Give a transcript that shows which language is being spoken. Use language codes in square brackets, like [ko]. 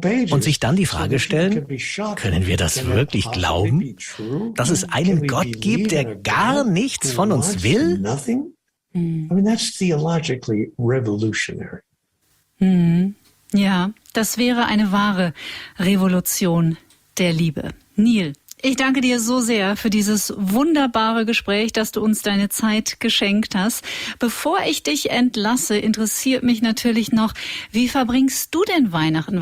[de] Und sich dann die Frage stellen, können wir das wirklich glauben, dass es einen Gott gibt, der gar nichts von uns will? [en] That's theologically revolutionary. [de] Ja, das wäre eine wahre Revolution der Liebe. Neil, ich danke dir so sehr für dieses wunderbare Gespräch, dass du uns deine Zeit geschenkt hast. Bevor ich dich entlasse, interessiert mich natürlich noch, wie verbringst du denn Weihnachten?